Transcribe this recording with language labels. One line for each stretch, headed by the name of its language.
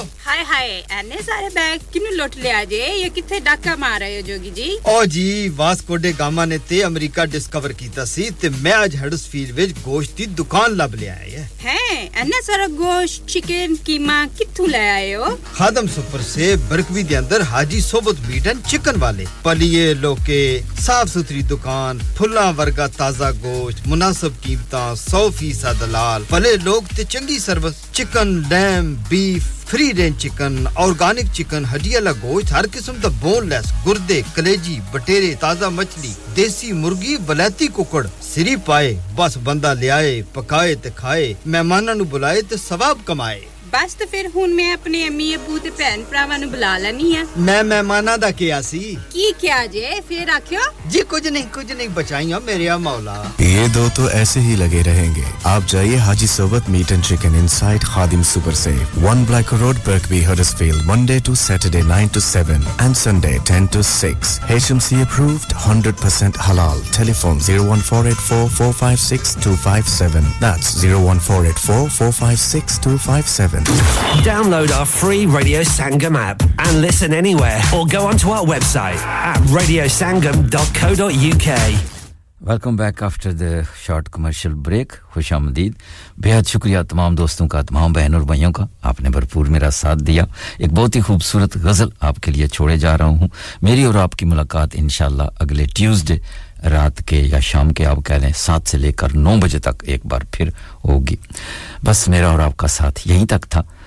Punjabi: ਹਾਏ ਹਾਏ ਐਨੇ ਸਾਰੇ ਬੈਗ ਕਿਨੂੰ ਲੁੱਟ ਲਿਆ ਜੇ ਇਹ ਕਿੱਥੇ ਡਾਕਾ ਮਾਰ ਰਹੇ ਹੋ ਜੋਗੀ ਜੀ ਓ ਜੀ ਵਾਸਕੋ ਡੇ ਗਾਮਾ ਨੇ ਤੇ ਅਮਰੀਕਾ ਡਿਸਕਵਰ ਕੀਤਾ ਸੀ ਤੇ ਮੈਂ ਅੱਜ ਹੈਡਸਫੀਲਡ ਵਿੱਚ ਗੋਸ਼ਤ ਦੀ ਦੁਕਾਨ ਲੱਭ ਲਿਆ ਹੈ ਹੈ ਐਨੇ ਸਾਰੇ ਗੋਸ਼ਤ ਚਿਕਨ ਕੀਮਾ ਕਿੱਥੋਂ ਲੈ ਆਏ ਹੋ ਖਾਦਮ ਸੁਪਰ ਸੇ ਬਰਕਵੀ ਦੇ ਅੰਦਰ ਹਾਜੀ ਸੋਬਤ ਮੀਟ ਐਂਡ ਚਿਕਨ ਵਾਲੇ ਪਲੀਏ ਲੋਕੇ ਸਾਫ਼ ਸੁਥਰੀ ਦੁਕਾਨ ਫੁੱਲਾਂ ਵਰਗਾ ਤਾਜ਼ਾ ਗੋਸ਼ਤ ਮੁਨਾਸਬ ਕੀਮਤਾਂ 100% ਦਲਾਲ ਭਲੇ ਲੋਕ ਤੇ ਚੰਗੀ service
English: Chicken, lamb, beef, free-range chicken, organic chicken,
Punjabi: haddi ala gosht, har kisam da boneless, gurde, kaleji, batere, taza machli, desi murgi, balati kukad, siri paaye, bas banda liaye, pakaye te khaye, mehmana nu bulaye te sawab kamaye. ਬਸ ਤੇ ਫਿਰ ਹੁਣ ਮੈਂ ਆਪਣੇ ਅਮੀ ਅਬੂ ਤੇ ਭੈਣ ਭਰਾਵਾਂ ਨੂੰ ਬੁਲਾ ਲੈਣੀ ਆ ਮੈਂ ਮਹਿਮਾਨਾਂ ਦਾ ਕਿਹਾ ਸੀ ਕੀ ਕਿਹਾ ਜੇ ਫਿਰ ਆਖਿਓ ਜੀ ਕੁਝ ਨਹੀਂ ਬਚਾਈਆਂ ਮੇਰੇ ਆ ਮੌਲਾ ਇਹ ਦੋ ਤੋਂ ਐਸੇ ਹੀ ਲਗੇ ਰਹਿਣਗੇ ਆਪ ਜਾਈਏ ਹਾਜੀ ਸਵਤ meat and chicken inside Khadim super safe 1 black road ਬਰਕਵੀ ਹਰਸਫੀਲਡ Monday to Saturday 9 to 7 and Sunday 10 to 6 HMC approved 100% ਹਲਾਲ telephone 01484456257 that's 01484456257
English: Download our free Radio Sangam app and listen anywhere or go onto our website at radiosangam.co.uk. Welcome back after the short commercial break.
Urdu: خوش آمدید بہت شکریہ تمام دوستوں کا تمام بہن اور بھائیوں کا آپ نے بھرپور میرا ساتھ دیا ایک بہت ہی خوبصورت غزل آپ کے لیے چھوڑے جا رہا ہوں میری اور آپ کی ملاقات انشاءاللہ اگلے ٹیوزڈے رات کے یا شام کے آپ کہہ لیں 7 سے لے کر 9 بجے تک ایک بار پھر ہوگی بس میرا اور آپ کا ساتھ یہیں تک تھا